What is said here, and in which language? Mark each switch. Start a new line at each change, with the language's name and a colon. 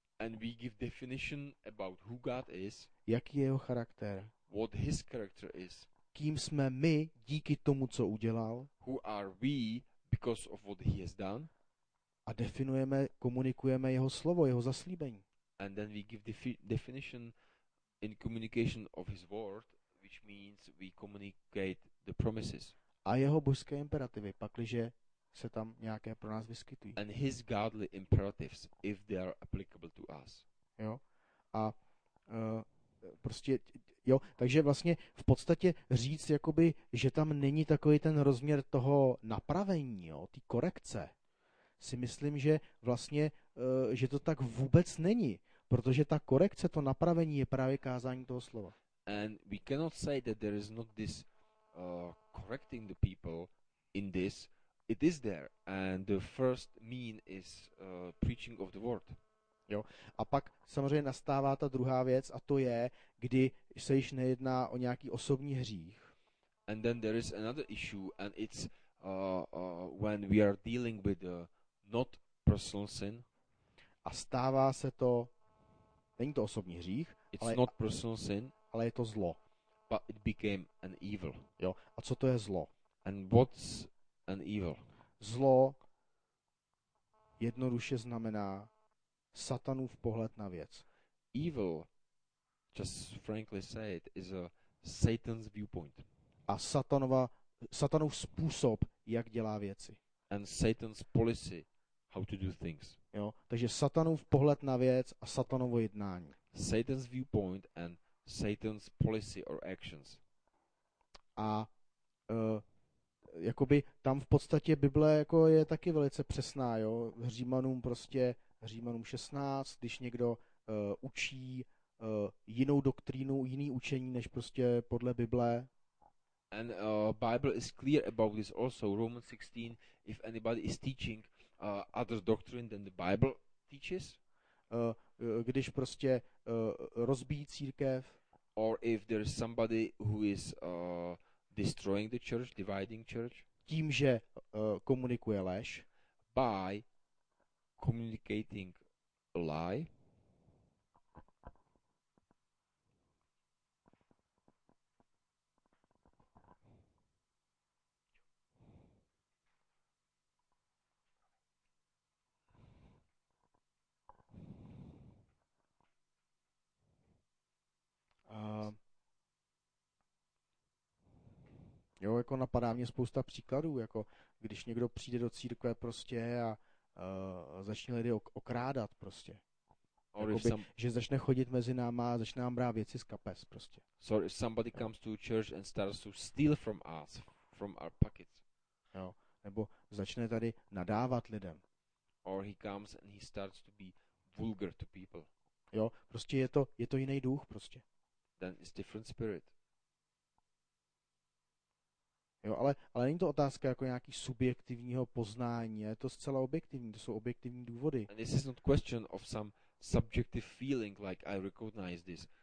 English: And we give definition about who God is.
Czech: Jaký je jeho charakter?
English: What his character is.
Czech: Kým jsme my díky tomu, co udělal?
English: Who are we because of what he has done?
Czech: A definujeme, komunikujeme jeho slovo, jeho zaslíbení.
English: And then we give definition in communication of his word, which means we communicate the promises.
Czech: A jeho božské imperativy, pakliže se tam nějaké pro nás vyskytují.
English: And his godly imperatives, if they are applicable to us.
Czech: Jo. A prostě, jo, takže vlastně v podstatě říct, jakoby, že tam není takový ten rozměr toho napravení, jo, ty korekce, si myslím, že vlastně, že to tak vůbec není, protože ta korekce, to napravení je právě kázání toho slova.
English: And we cannot say that there is not this correcting the people in this. It is there, and the first mean is preaching of the word.
Czech: Jo. A pak samozřejmě nastává ta druhá věc, a to je, kdy se již nejedná o nějaký osobní hřích.
English: And then there is another issue, and it's when we are dealing with not personal sin.
Czech: A stává se to, není to osobní hřích,
English: it's
Czech: ale,
English: not personal sin,
Czech: ale je to zlo.
English: But it became an evil.
Czech: Jo. A co to je zlo?
English: And what's an evil.
Czech: Zlo jednoduše znamená Satanův pohled na věc.
English: Evil, just frankly say it, is a Satan's viewpoint.
Czech: A Satanův způsob, jak dělá věci.
English: And Satan's policy, how to do things.
Czech: Jo, takže Satanův pohled na věc a Satanovo jednání.
English: Satan's viewpoint and Satan's policy or actions.
Czech: A jakoby tam v podstatě Bible jako je taky velice přesná, jo, Římanům prostě, Římanům 16, když někdo učí jinou doktrínu, jiný učení, než prostě podle Bible.
English: And Bible is clear about this also, Romans 16, if anybody is teaching other doctrine than the Bible teaches.
Czech: Když prostě rozbíjí církev.
English: Or if there is somebody who is destroying the church, dividing church.
Czech: Tím, že komunikuje lež.
English: By communicating a lie.
Czech: Jo, jako napadá mě spousta příkladů, jako když někdo přijde do církve prostě a začne lidi okrádat prostě. Jakoby, že začne chodit mezi náma a začne nám brát věci z kapes prostě.
English: So if somebody comes to church and starts to steal from us, from our pockets.
Czech: Jo, nebo začne tady nadávat lidem.
English: Or he comes and he starts to be vulgar to people.
Czech: Jo, prostě je to jiný duch prostě.
English: Then it's different spirit.
Czech: Jo, ale není to otázka jako nějaký subjektivního poznání, je to zcela objektivní, to jsou objektivní důvody.
English: And this is not question of some subjective feeling like I recognize this.